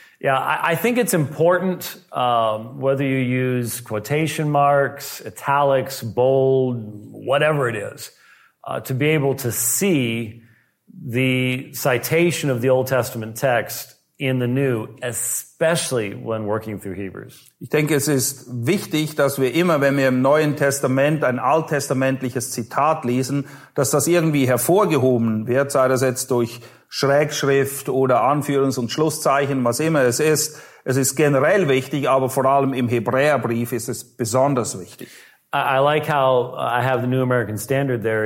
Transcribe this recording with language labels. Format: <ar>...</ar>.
<en>Yeah, I think it's important whether you use quotation marks, italics, bold, whatever it is, to be able to see the citation of the Old Testament text in the New, especially when working through Hebrews.</en> <de>Ich denke, es ist wichtig, dass wir immer, wenn wir im Neuen Testament ein alttestamentliches Zitat lesen, dass das irgendwie hervorgehoben wird, sei das jetzt durch Schrägschrift oder Anführungs- und Schlusszeichen, was immer es ist. Es ist generell wichtig, aber vor allem im Hebräerbrief ist es besonders wichtig.</de> <en>I like how I have the New American Standard there.</en>